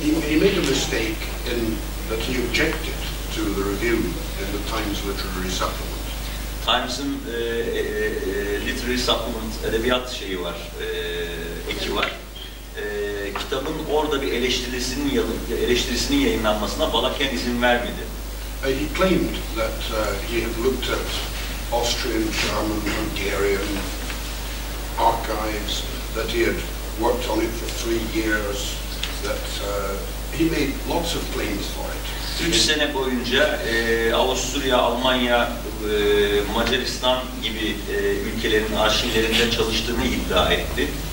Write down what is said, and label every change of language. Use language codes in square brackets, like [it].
[en] He made a mistake in that he objected to the review in the Times Literary Supplement. [tr] Times'ın literary supplement, edebiyat şeyi var, eki var. Kitabın orada bir eleştirisinin yayınlanmasına Balakian izin vermedi. [en] He claimed that he had looked at Austrian, German, Hungarian archives, that he had worked on it for 3 years, that he made lots of claims for it. [tr] 3 sene boyunca Avusturya, Almanya, Macaristan gibi ülkelerin arşivlerinde çalıştığını iddia etti.